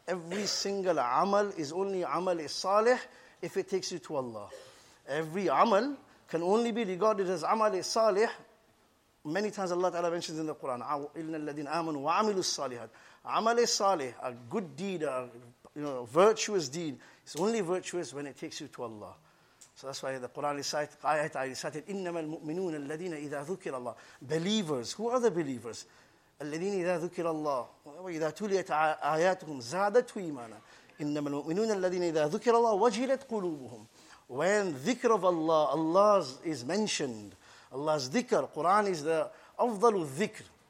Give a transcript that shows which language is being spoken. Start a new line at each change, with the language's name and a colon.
English: Every single amal is only amal is salih if it takes you to Allah. Every amal can only be regarded as amal is salih. Many times Allah Ta'ala mentions in the Quran,
Arabic: إِلَّا الَّذِينَ آمَنُوا وَعَمِلُوا الصَّالِحَاتِ. عَمَلِ الصَّالِحِ,
English: a good deed, virtuous deed, it's only virtuous when it takes you to Allah. So that's why the Quran recited,
Arabic: إِنَّمَا الْمُؤْمِنُونَ الَّذِينَ إِذَا ذُكِرَ اللَّهِ.
English: Believers, who are the believers?
Arabic: الَّذِينَ إِذَا ذُكِرَ اللَّهِ وَإِذَا تُلِيَتْ آيَاتُهُمْ زَادَتْهُ إِيمَانًا. إِنَّمَا الْمُؤْمِنُونَ الَّذِينَ إِذَا ذُكِرَ اللَّهِ وَجِلَتْ قُلُوبُهُمْ.
English: When dhikr of Allah, Allah is mentioned, Allah's dhikr, Quran is the afdalu dhikr.